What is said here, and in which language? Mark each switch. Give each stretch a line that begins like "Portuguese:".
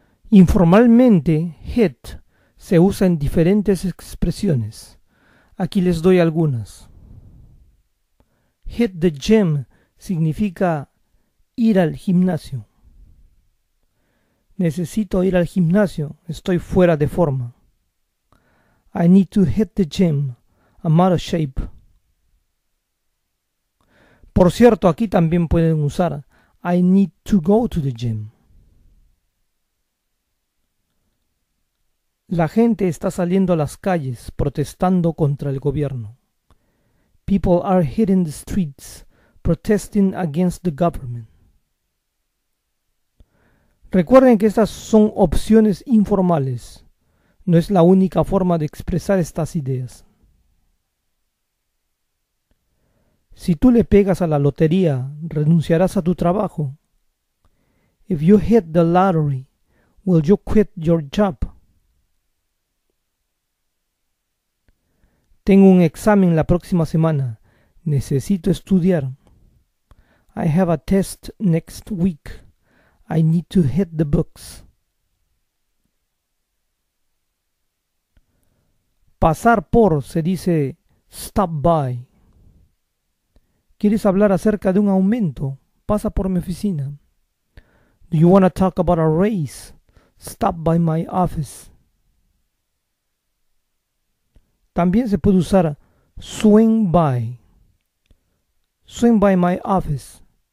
Spanish: Informalmente, hit se usa en diferentes expresiones. Aquí les doy algunas. Hit the gym significa ir al gimnasio. Necesito ir al gimnasio, estoy fuera de forma.
English: I need to hit the gym, I'm out of shape.
Spanish: Por cierto, aquí también pueden usar
English: I need to go to the gym.
Spanish: La gente está saliendo a las calles protestando contra el gobierno.
English: People are hitting the streets protesting against the government.
Spanish: Recuerden que estas son opciones informales. No es la única forma de expresar estas ideas. Si tú le pegas a la lotería, ¿renunciarás a tu trabajo?
English: If you hit the lottery, will you quit your job?
Spanish: Tengo un examen la próxima semana. Necesito estudiar.
English: I have a test next week. I need to hit the books.
Spanish: Pasar por se dice stop by. ¿Quieres hablar acerca de un aumento? Pasa por mi oficina.
English: Do you want to talk about a raise? Stop by my office.
Spanish: También se puede usar
English: swing by. Swing by my office.